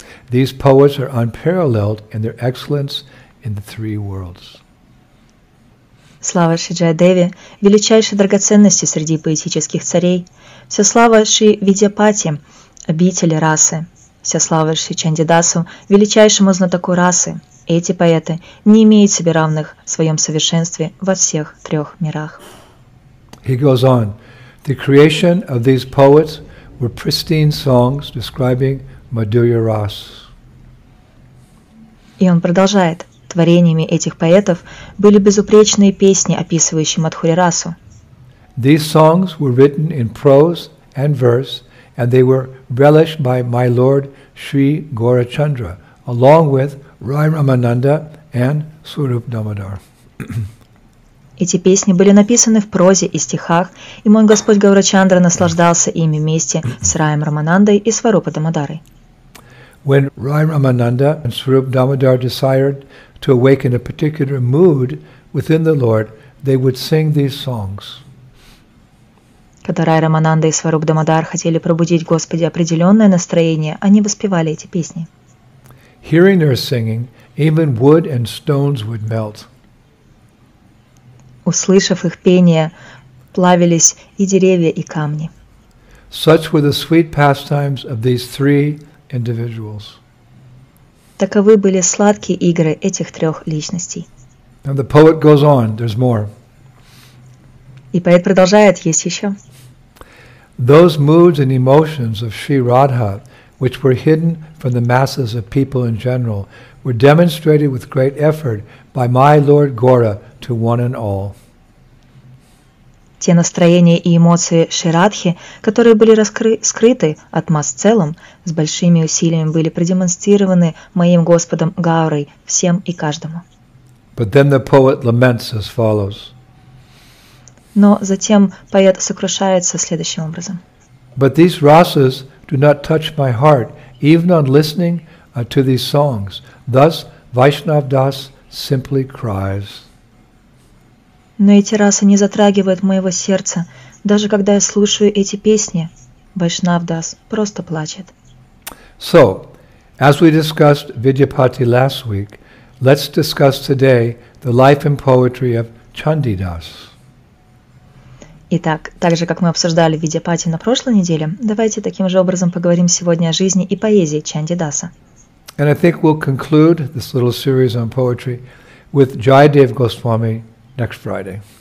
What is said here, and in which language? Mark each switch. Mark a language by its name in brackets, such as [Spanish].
[English] These poets are unparalleled in their excellence in the three worlds. [Russian] Слава Шри Джаядеве, величайшей драгоценности среди поэтических царей. Вся слава Шри Видьяпати, обители расы. Вся слава Шри Чандидасу, величайшему знатоку расы. Эти поэты не имеют себе равных в своем совершенстве во всех трех мирах. [English] He goes on. The creation of these poets were pristine songs describing Madhurya Ras. [Russian] И он продолжает. Творениями этих поэтов были безупречные песни, описывающие Мадхурирасу. [English] These songs were written in prose and verse, and they were relished by my lord Sri Gaurachandra, along with Rai Ramananda and Swarup Damodar. [Russian] Эти песни были написаны в прозе и стихах, и мой господь Гаурачандра наслаждался ими вместе с Раем Раманандой и Сварупа Дамодарой. [English] When Rai Ramananda and Swarup Damodar desired to awaken a particular mood within the Lord, they would sing these songs. [Russian] Когда Рай Рамананда и Сваруп Дамодар хотели пробудить Господи определенное настроение, они воспевали эти песни. [English] Hearing their singing, even wood and stones would melt. [Russian] Услышав их пение, плавились и деревья, и камни. [English] Such were the sweet pastimes of these three individuals. [Russian] Таковы были сладкие игры этих трех личностей. [English] And the poet goes on, there's more. [Russian] И поэт продолжает, есть еще. [English] Those moods and emotions of Sri Radha, which were hidden from the masses of people in general, were demonstrated with great effort by my Lord Gaura to one and all. [Russian] Те настроения и эмоции Шри Радхи, которые были скрыты от масс целым, с большими усилиями были продемонстрированы моим Господом Гаурой всем и каждому. [English] But then the poet laments as follows. [Russian] Но затем поэт сокрушается следующим образом. [English] But these rasas do not touch my heart, even on listening to these songs. Thus, Vaishnav Das simply cries. [Russian] Но эти расы не затрагивают моего сердца. Даже когда я слушаю эти песни, Вайшнав Дас просто плачет. [English] So, as we discussed Vidyapati last week, let's discuss today the life and poetry of Chandidas. [Russian] Итак, так же, как мы обсуждали Vidyapati на прошлой неделе, давайте таким же образом поговорим сегодня о жизни и поэзии Чандидаса. [English] And I think we'll conclude this little series on poetry with Jayadev Goswami next Friday.